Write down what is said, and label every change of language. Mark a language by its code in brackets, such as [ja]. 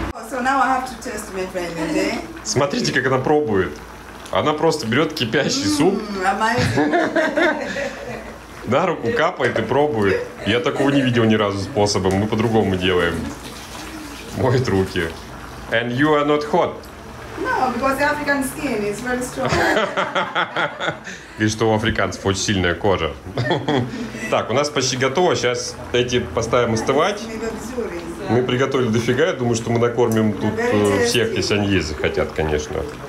[en] So now I have to test my friend, eh? [ru] Смотрите, как она пробует. Она просто берет кипящий суп. На руку капает и пробует. Я такого не видел ни разу способа. Мы по-другому делаем. Моет руки. [en] And you are not hot? No, because the African skin is very strong. [ru] И что у африканцев очень сильная кожа. Так, у нас почти готово. Сейчас эти поставим остывать. Мы приготовили дофига, я думаю, что мы накормим тут всех, если они есть захотят, конечно.